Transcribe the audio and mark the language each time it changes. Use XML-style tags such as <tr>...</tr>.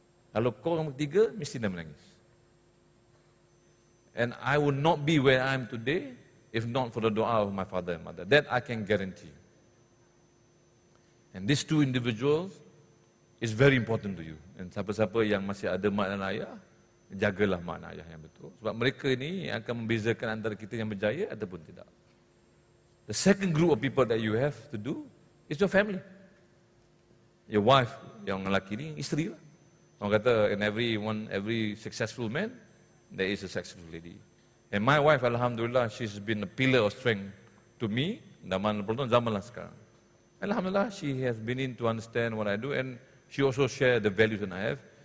<ms>Kalau call yang ketiga, mesti dia menangis.</ms> <en>And I would not be where I am today if not for the doa of my father and mother. That I can guarantee. And these two individuals is very important to you.</en> <ms>And siapa-siapa yang masih ada mak dan ayah, jagalah mak dan ayah yang betul. Sebab mereka ini yang akan membezakan antara kita yang berjaya ataupun tidak.</ms> <en>The second group of people that you have to do is your family. Your wife,</en> <ms>yang lelaki ini, isteri lah. Orang kata,</ms> <en>every successful man, there is a successful lady. And my wife, alhamdulillah, she's been a pillar of strength to me,</en> <ms>zaman lah sekarang.</ms> <en>Alhamdulillah, she has been in to understand what I do, and she also share the values that I have.</en>